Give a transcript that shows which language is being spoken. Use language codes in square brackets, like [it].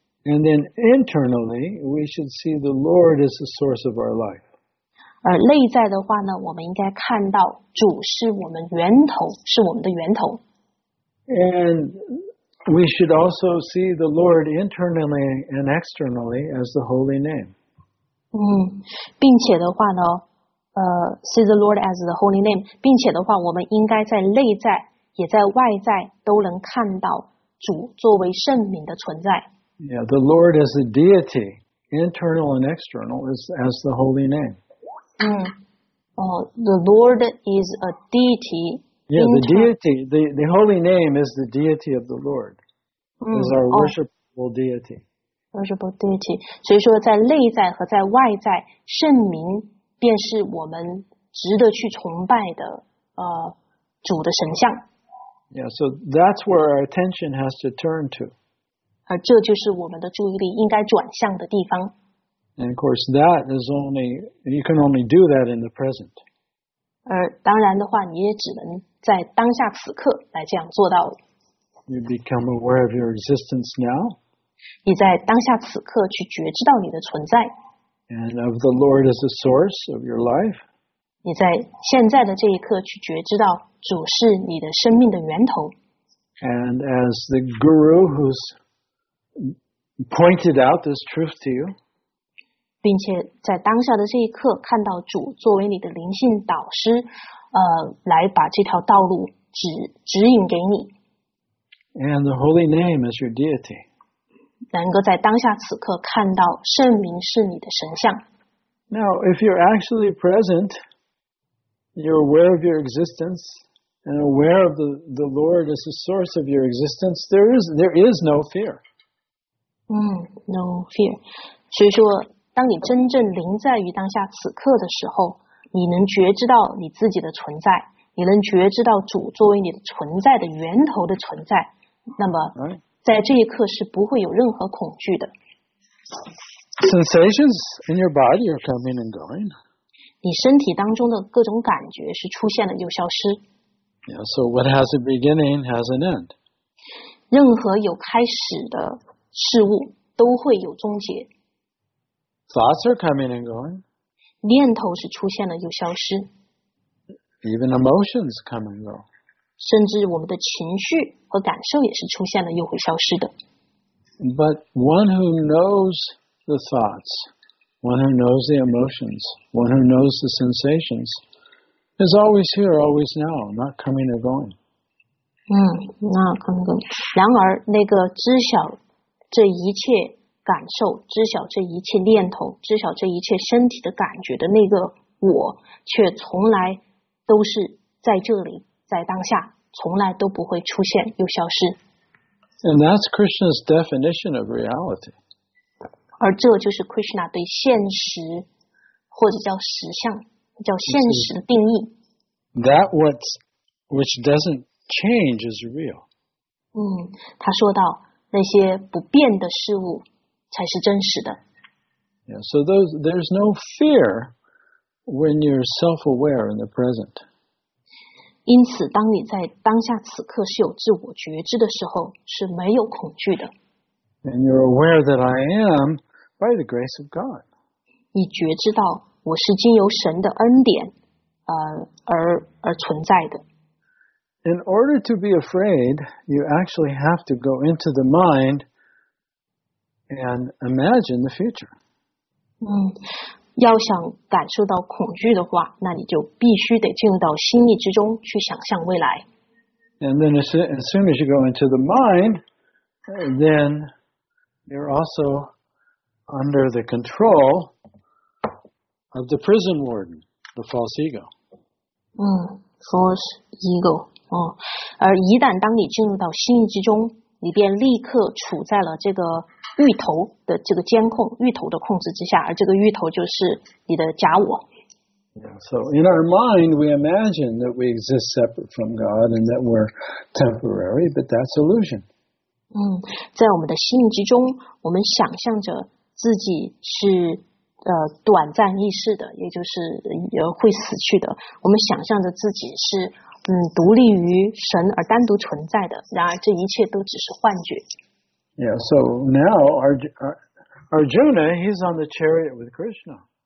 [en] And then internally, we should see the Lord as the source of our life. [zh] 而内在的话呢，我们应该看到主是我们源头，是我们的源头。 [en] And we should also see the Lord internally and externally as the holy name. [zh] 并且的话呢， [en] see the Lord as the holy name， [zh] 并且的话，我们应该在内在也在外在都能看到主作为圣名的存在。 [en] Yeah, the Lord as a deity, internal and external, is as the holy name. The Lord is a deity. Yeah, the deity, the holy name is the deity of the Lord, is our worshipable deity. Worshipable deity. [zh] 所以说，在内在和在外在，圣名便是我们值得去崇拜的主的神像。 [en] Yeah, so that's where our attention has to turn to. [zh] 而这就是我们的注意力应该转向的地方。 [en] And of course, that is only, you can only do that in the present. [zh] 而当然的话，你也只能在当下此刻来这样做到。 [en] You become aware of your existence now. [zh] 你在当下此刻去觉知到你的存在。 [en] And of the Lord as the source of your life. [zh] 你在现在的这一刻去觉知到主是你的生命的源头。 [en] And as the guru who's pointed out this truth to you. [zh] 并且在当下的这一刻看到主作为你的灵性导师来把这条道路 指引给你。 [en] And the holy name is your deity. [zh] 能够在当下此刻看到圣名是你的神像。 [en] Now, if you're actually present, you're aware of your existence, and aware of the Lord as the source of your existence, there is no fear. No fear. [zh] 所以说，当你真正临在于当下此刻的时候，你能觉知到你自己的存在，你能觉知到主作为你的存在的源头的存在，那么在这一刻是不会有任何恐惧的。 [en] Sensations in your body are coming and going. [zh] 你身体当中的各种感觉是出现了又消失。 [en] Yeah, so what has a beginning has an end. [zh] 任何有开始的事物都会有终结。 [en] Thoughts are coming and going. [zh] 念头是出现了又消失。 [en] Even emotions come and go. [zh] 甚至我们的情绪和感受也是出现了又会消失的。 [en] But one who knows the thoughts, one who knows the emotions, one who knows the sensations, is always here, always now, not coming or going. [zh] 然而那个知晓这一切感受，知晓这一切念头，知晓这一切身体的感觉的那个我，却从来都是在这里，在当下，从来都不会出现又消失。 [en] And that's Krishna's definition of reality. [zh] 而这就是 Krishna 对现实，或者叫实相，叫现实的定义。 [en] that which doesn't change is real. [zh] 他说到那些不变的事物才是真实的。 [en] Yeah, so there's no fear when you're self-aware in the present. [zh] 因此当你在当下此刻是有自我觉知的时候是没有恐惧的。 [en] And you're aware that I am by the grace of God. [zh] 你觉知到我是经由神的恩典而存在的。 [en] In order to be afraid, you actually have to go into the mind and imagine the future. [zh] 要想感受到恐惧的话，那你就必须得进入到心意之中去想象未来。 [en] And then as soon as you go into the mind, then you're also under the control of the prison warden, the false ego. False ego. [zh] 而一旦当你进入到心意之中，你便立刻处在了这个芋头的这个监控、芋头的控制之下，而这个芋头就是你的假我。 [en] So in our mind, we imagine that we exist separate from God and that we're temporary, but that's illusion. [zh] 在我们的心意之中，我们想象着自己是短暂意识的，也就是会死去的。我们想象着自己是独立于神而单独存在的，然而这一切都只是幻觉。 [en] Yeah, so now Arjuna, he's on the chariot with Krishna.